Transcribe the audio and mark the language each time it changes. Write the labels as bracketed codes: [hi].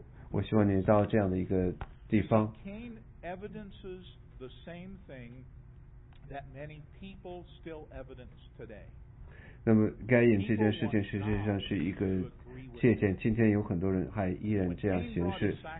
[zh] 我希望你到这样的一个地方。 [en] Cain evidences the same thing that many people still evidence today. [zh] 那么该隐这件事情实际上是一个借鉴，今天有很多人还依然这样行事。